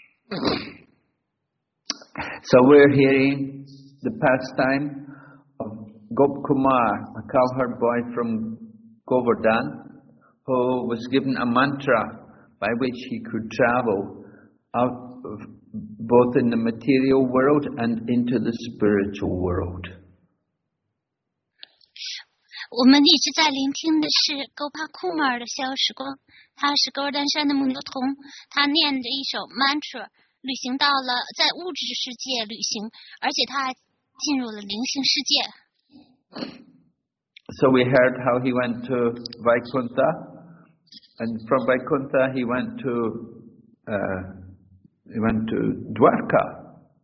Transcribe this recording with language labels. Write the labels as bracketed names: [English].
[English] So we're hearing the pastime of Gop Kumar, a cowherd boy from Govardhan, who was given a mantra by which he could travel out of both in the material world and into the spiritual world. [Chinese] 我们一直在聆听的是高帕库马尔的消息，他是高尔丹山的牧童，他念着一首mantra，旅行到了在物质世界旅行，而且他还进入了灵性世界。So [English] we heard how he went to Vaikuntha, and from Vaikuntha he went to Dwarka.